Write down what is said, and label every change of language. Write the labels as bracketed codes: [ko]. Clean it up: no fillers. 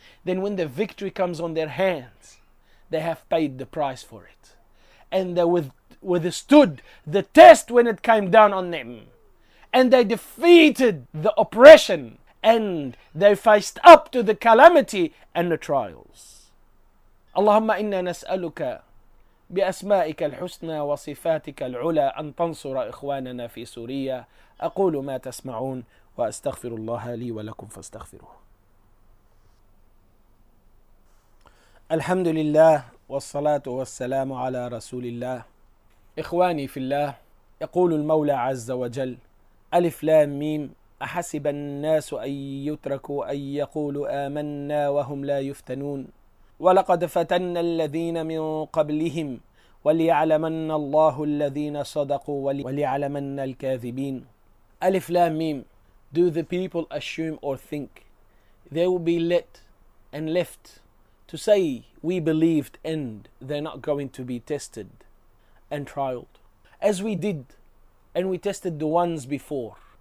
[en] Then when the victory comes on their hands, they have paid the price for it. And they withstood the test when it came down on them. And they defeated the oppression. And they faced up to the calamity and the trials. [ar] اللهم إنا نسألك بأسمائك الحسنى وصفاتك العلى أن تنصر إخواننا في سوريا. أقول ما تسمعون وأستغفر الله لي ولكم فاستغفروه. الحمد لله والصلاة والسلام على رسول الله. إخواني في الله، يقول المولى عز وجل ألف لام ميم أحسب الناس أن يتركوا أن يقولوا آمنا وهم لا يفتنون. ولقد فتن الذين من قبلهم وليعلمن الله الذين صدقوا وليعلمن الكاذبين. Alif Lam Mim. [en] Do the people assume or think they will be let and left to say we believed and they're not going to be tested and trialed as we did and we tested the ones before.